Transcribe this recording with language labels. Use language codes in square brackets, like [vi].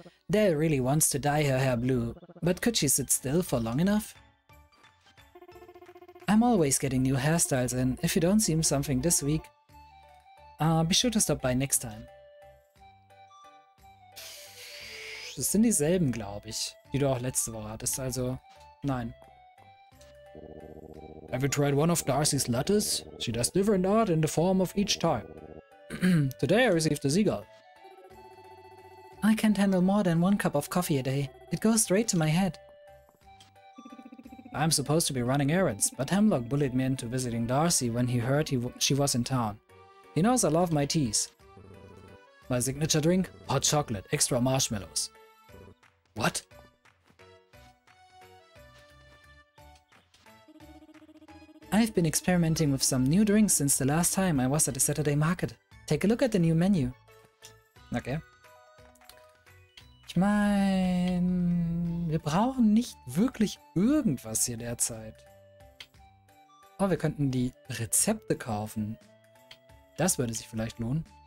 [en] Dell really wants to dye her hair blue, but could she sit still for long enough? I'm always getting new hairstyles and if you don't see something this week, be sure to stop by next time. [de] Das sind dieselben, glaube ich, die du auch letzte Woche hattest, also nein. [en] Have you tried one of Darcy's letters? She does different art in the form of each time. Today I received a seagull. I can't handle more than one cup of coffee a day. It goes straight to my head. I'm supposed to be running errands, but Hemlock bullied me into visiting Darcy when he heard she was in town. He knows I love my teas. My signature drink? Hot chocolate, extra marshmallows. What? I've been experimenting with some new drinks since the last time I was at the Saturday market. Take a look at the new menu. Okay. [de] Ich meine, wir brauchen nicht wirklich irgendwas hier derzeit. Oh, wir könnten die Rezepte kaufen. Das würde sich vielleicht lohnen.